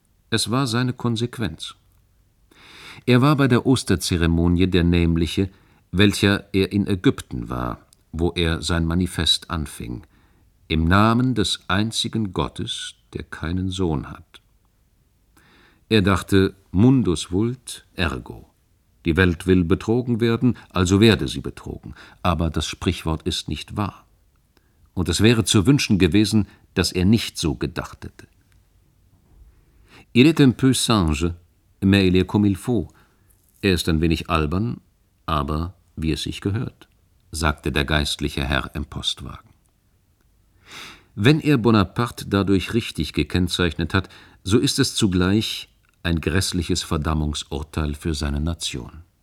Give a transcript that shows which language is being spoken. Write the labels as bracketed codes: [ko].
[de] Es war seine Konsequenz. Er war bei der Osterzeremonie der Nämliche, welcher er in Ägypten war, wo er sein Manifest anfing, im Namen des einzigen Gottes, der keinen Sohn hat. Er dachte, [la] Mundus vult, ergo. [de] Die Welt will betrogen werden, also werde sie betrogen. Aber das Sprichwort ist nicht wahr. Und es wäre zu wünschen gewesen, dass er nicht so gedacht hätte. [fr] Il est un peu sage, mais il est comme il faut. [de] Er ist ein wenig albern, aber wie es sich gehört, sagte der geistliche Herr im Postwagen. Wenn er Bonaparte dadurch richtig gekennzeichnet hat, so ist es zugleich ein grässliches Verdammungsurteil für seine Nation.